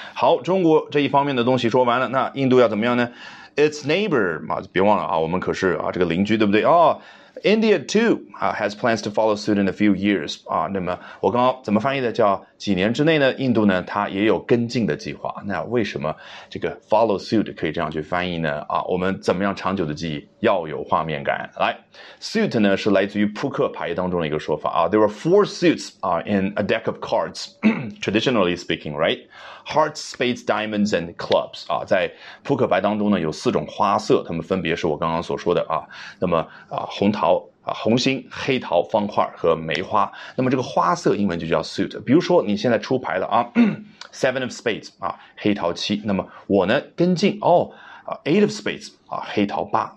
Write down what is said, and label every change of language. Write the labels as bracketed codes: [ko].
[zh] 好中国这一方面的东西说完了那印度要怎么样呢 [en] its neighbor [zh] 啊，别忘了啊，我们可是啊这个邻居对不对哦 [en] India too, has plans to follow suit in a few years. [zh] 啊，那么我刚刚怎么翻译的叫几年之内呢印度呢它也有跟进的计划。那为什么这个 follow suit 可以这样去翻译呢啊，我们怎么样长久的记忆要有画面感。来 ,suit 呢是来自于扑克牌当中的一个说法啊 [en] ,there are four suits, in a deck of cards, traditionally speaking, right? Hearts, spades, diamonds, and clubs. [zh] 啊，在扑克牌当中呢，有四种花色，它们分别是我刚刚所说的啊。那么啊，红桃啊，红心、黑桃、方块和梅花。那么这个花色英文就叫 suit。比如说你现在出牌了啊， [en] Seven of spades [zh] 啊，黑桃七。那么我呢跟进哦啊， [en] Eight of spades [zh] 啊，黑桃八。